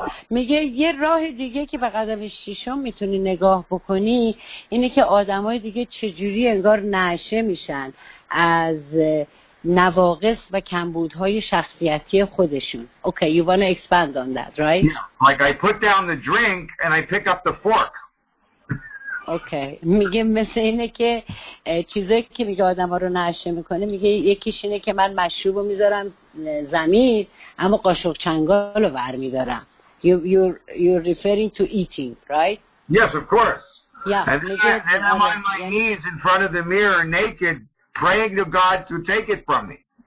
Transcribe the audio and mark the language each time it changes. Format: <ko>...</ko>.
<fa>میگه یه راه دیگه که به قدم ششم میتونی نگاه بکنی اینه که آدمای دیگه چجوری انگار نشه میشن از نواقص و کمبودهای شخصیتی خودشون.</fa> <en>Okay, you want to expand on that, right? Yeah. Like I put down the drink and I pick up the fork. Okay.</en> <fa>میگه مثل اینه که چیزی که میگه آدم ها رو نشه میکنه، میگه یکیش اینه که من مشروب رو میذارم زمین اما قاشق چنگال رو بر میدارم.</fa> <en>You're referring to eating, right? Yes, of course. Yeah. And I'm on my knees in front of the mirror naked praying to God to take it from me.</en>